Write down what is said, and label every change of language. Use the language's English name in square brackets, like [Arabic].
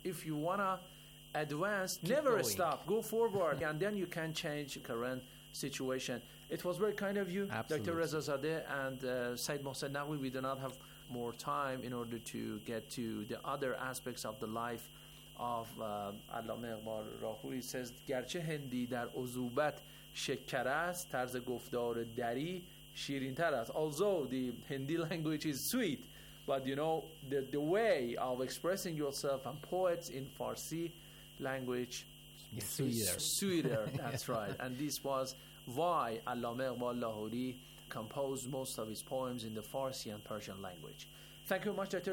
[English] If you wanna advance, never stop, go forward, and then you can change current situation. It was very kind of you, absolutely, Dr. Reza Zadeh and Said Mohsen Naqvi. We do not have more time in order to get to the other aspects of the life of Allama Iqbal Rahoui. He says, [Persian] گرچه هندی در عزوبت شکر است، طرز گفتار دری شیرین تر است. [English] Although the Hindi language is sweet, but you know, the way of expressing yourself and poets in Farsi language sweeter. That's right. And this was why Allama Iqbal Lahori composed most of his poems in the Farsi and Persian language. Thank you very much, Dr.